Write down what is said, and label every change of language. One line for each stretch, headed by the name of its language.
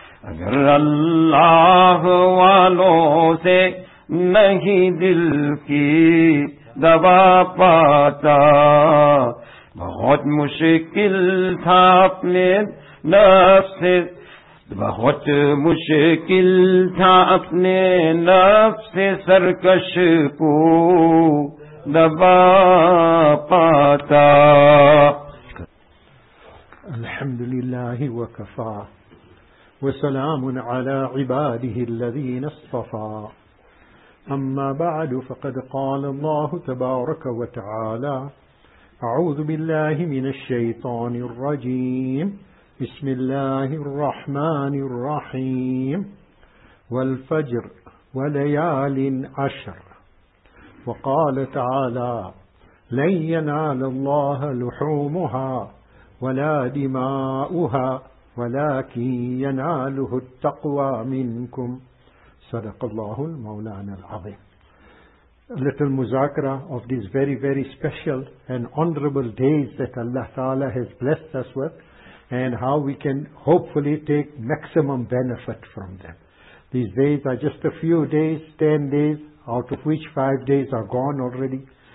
Urdu: اگر اللہ والوں سے نہیں دل کی دوا پاتا, بہت مشکل تھا اپنے نفس سے, بہت مشکل تھا اپنے نفس سے سرکش کو دبا پاتا.
Arabic: الحمد للہ وکفا وسلام علی عباده الذین اصطفى, اما بعد فقد قال اللہ تبارک وتعالى, أعوذ بالله من الشيطان الرجيم, بسم الله الرحمن الرحيم. والفجر وليال عشر, وقال تعالى لن ينال الله لحومها ولا دماؤها ولكن يناله التقوى منكم, صدق الله المولانا العظيم.
English: A little muzakara of these very, very special and honorable days that Allah Ta'ala has blessed us with, and how we can hopefully take maximum benefit from them. These days are just a few days, 10 days, out of which 5 days are gone already.